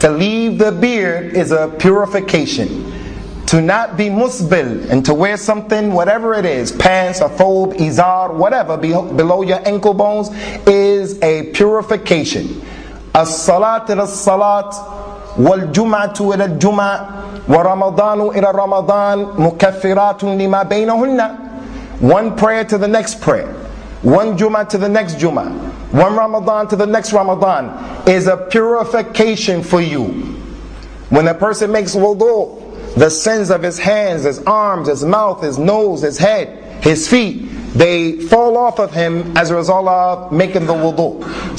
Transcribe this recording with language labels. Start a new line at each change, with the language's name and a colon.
English: To leave the beard is a purification. To not be musbil and to wear something, whatever it is, pants, a thobe, izar, whatever, below your ankle bones is a purification.
Arabic: As-salat al-salat والجمعة إلى الجمعة ورمضان إلى رمضان مكفرات لما بينهن.
English: One prayer to the next prayer. One Jumma to the next Jumma. One Ramadan to the next Ramadan is a purification for you. When a person makes wudu, the sins of his hands, his arms, his mouth, his nose, his head, his feet, they fall off of him as a result of making the wudu.